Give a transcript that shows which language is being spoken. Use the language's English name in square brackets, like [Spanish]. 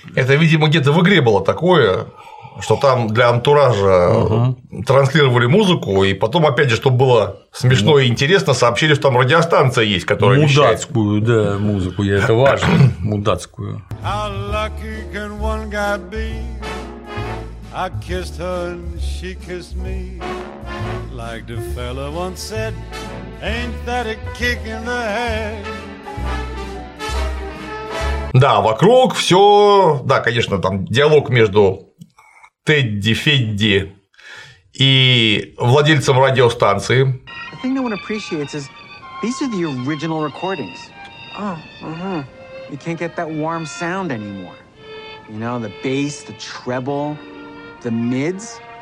[Russian] Это, видимо, где-то в игре было такое. Что там для антуража транслировали музыку, и потом, опять же, чтобы было смешно и интересно, сообщили, что там радиостанция есть, которая мудацкую, вещает. Мудацкую, да, музыку, я это важно, мудацкую. [English] How lucky can one guy be? I kissed her and she kissed me. Like the fella once said, ain't that a kick in the head? [Russian] Да, вокруг все, да, конечно, там диалог между Тедди, Федди и владельцем радиостанции. [English] The thing no one appreciates is these are the original recordings. Oh, You can't get that warm sound anymore. You know, the bass, the treble, the mids.